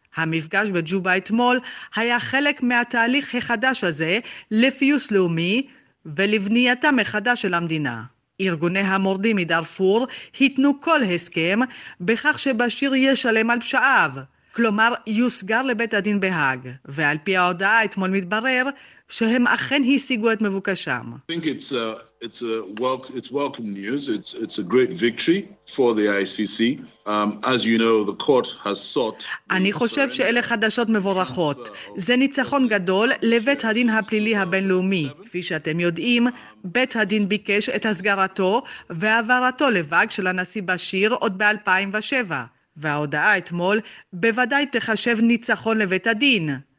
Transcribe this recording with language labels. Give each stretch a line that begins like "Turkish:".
Hebrew: המפגש בג'ובה אתמול היה חלק מהתהליך החדש הזה לפיוס לאומי ולבנייתה מחדש של המדינה. ארגוני המורדים מדארפור התנו כל הסכם בכך שבשיר ישלם על פשעיו, כלומר יוסגר לבית הדין בהאג, ועל פי ההודעה אתמול מתברר שהם אכן השיגו את מבוקשם.
English: I think it's welcome news. It's a great victory for the ICC. As you know, the court has sought.
Hebrew: אני חושב שאלה חדשות מבורכות. זה ניצחון גדול לבית הדין הפלילי הבינלאומי. כפי שאתם יודעים, בית הדין ביקש את הסגרתו והעברתו לבאג של הנשיא בשיר עוד ב-2007. וההודעה אתמול בוודאי תחשב ניצחון לבית הדין.